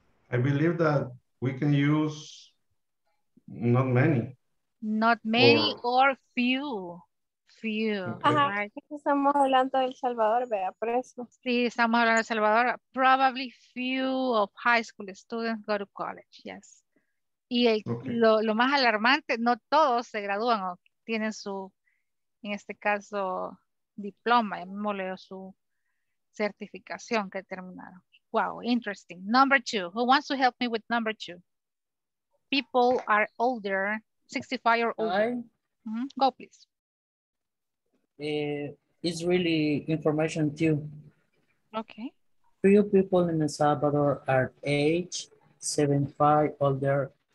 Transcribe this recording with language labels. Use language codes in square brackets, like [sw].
[en] I believe that we can use not many. Not many or few. Few. Okay. [es] Ajá, estamos hablando de El Salvador, vea, por eso. Sí, estamos hablando de El Salvador. [en] Probably few of high school students go to college, yes. Y el, okay. [es] lo más alarmante, no todos se gradúan o tienen su, en este caso, diploma, llamémosle su certificación que terminaron. [en] Wow, interesting. Number two, who wants to help me with number two? People are older, 65 or older. Mm-hmm. Go, please. It's really information too. Okay. Few people in El Salvador are age 75 older.